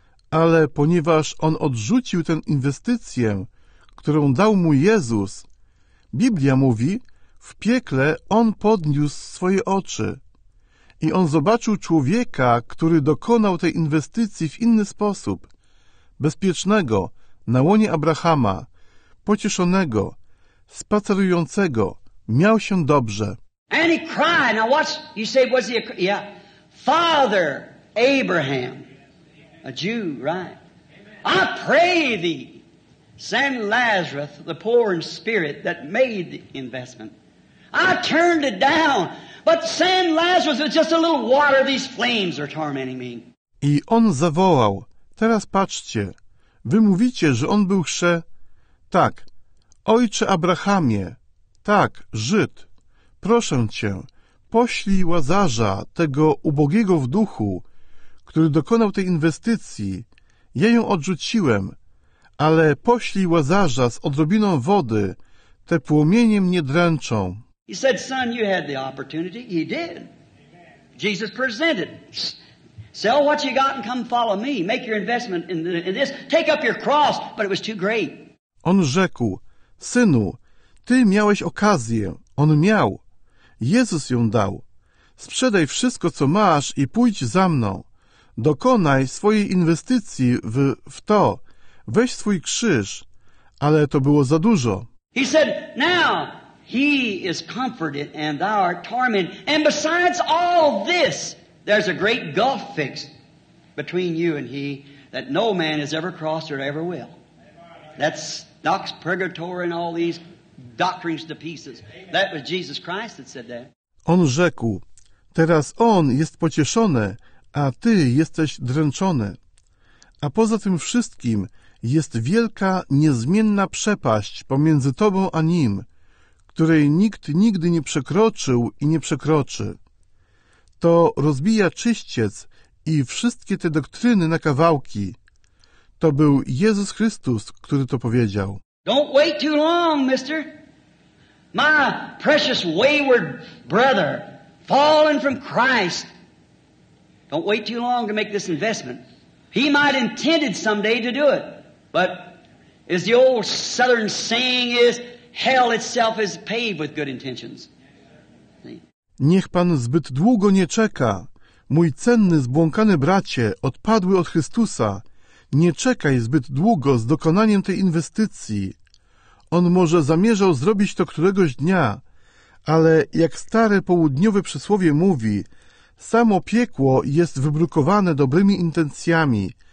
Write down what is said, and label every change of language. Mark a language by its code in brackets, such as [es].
[pl] Ale ponieważ on odrzucił tę inwestycję, którą dał mu Jezus, Biblia mówi, w piekle on podniósł swoje oczy i on zobaczył człowieka, który dokonał tej inwestycji w inny sposób, bezpiecznego, na łonie Abrahama, pocieszonego, spacerującego, miał się dobrze. [en] And he cried. Now watch, you say, was he a... Yeah. Father Abraham, a Jew, right? I pray thee, send Lazarus, the poor in spirit that made the investment. I turned it down, but send Lazarus with just a little water. These flames are tormenting me. [pl] I on zawołał, teraz patrzcie, wy mówicie, że on był chrze... Tak, ojcze Abrahamie, tak, Żyd, proszę cię, poślij Łazarza, tego ubogiego w duchu, który dokonał tej inwestycji. Ja ją odrzuciłem, ale poślij Łazarza z odrobiną wody, te płomienie mnie dręczą. [en] He said, son, you had the opportunity. He did. Jesus presented. Sell what you got and come follow me. Make your investment in this. Take up your cross. But it was too great. [pl] On rzekł, synu, ty miałeś okazję. On miał. Jezus ją dał. Sprzedaj wszystko, co masz i pójdź za mną. Dokonaj swojej inwestycji w to. Weź swój krzyż. Ale to było za dużo. [en] He said, now he is comforted and thou art tormented. And besides all this, there's a great gulf fixed between you and he that no man has ever crossed or ever will. That's Dox Purgatory and all these doctrines to pieces. That was Jesus Christ that said that. [pl] On rzekł, teraz on jest pocieszony, a ty jesteś dręczony. A poza tym wszystkim jest wielka, niezmienna przepaść pomiędzy tobą a nim, której nikt nigdy nie przekroczył i nie przekroczy. To rozbija czyściec i wszystkie te doktryny na kawałki. To był Jezus Chrystus, który to powiedział. [en] Don't wait too long, mister. My precious wayward brother, fallen from Christ. Don't wait too long to make this investment. He might intended someday to do it. But as the old southern saying is, hell itself is paved with good intentions. [pl] Niech pan zbyt długo nie czeka. Mój cenny, zbłąkany bracie, odpadły od Chrystusa. Nie czekaj zbyt długo z dokonaniem tej inwestycji. On może zamierzał zrobić to któregoś dnia, ale jak stare południowe przysłowie mówi, samo piekło jest wybrukowane dobrymi intencjami.